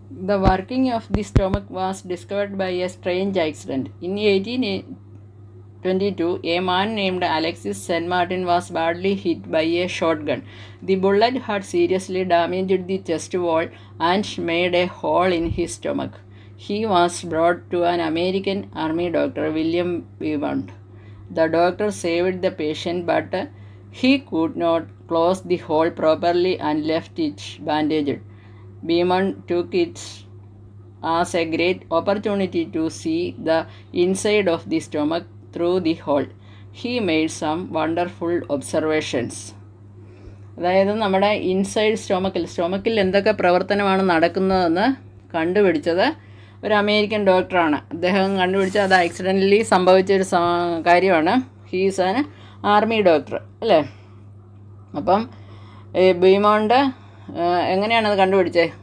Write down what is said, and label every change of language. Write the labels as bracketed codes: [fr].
[en] The working of the stomach was discovered by a strange accident in 1822. A man named Alexis Saint Martin was badly hit by a short gun. The bullet had seriously damaged the chest wall and made a hole in his stomach. He was brought to an American army doctor, William Beaumont. The doctor saved the patient, but he could not close the hole properly and left it bandaged. Beaumont took it as a great opportunity to see the inside of the stomach through the hole. He made some wonderful observations. [ml] അതായത് നമ്മുടെ inside സ്റ്റൊമക്കിൽ എന്തൊക്കെ പ്രവർത്തനമാണ് നടക്കുന്നതെന്ന് കണ്ടുപിടിച്ചത് ഒരു American ഡോക്ടറാണ്. അദ്ദേഹം കണ്ടുപിടിച്ച അത് ആക്സിഡൻ്റലി സംഭവിച്ച ഒരു കാര്യമാണ്. [en] he's an army doctor [ml] അല്ലേ. അപ്പം ബീമോണ്ട് എങ്ങനെയാണത് കണ്ടുപിടിച്ചത്?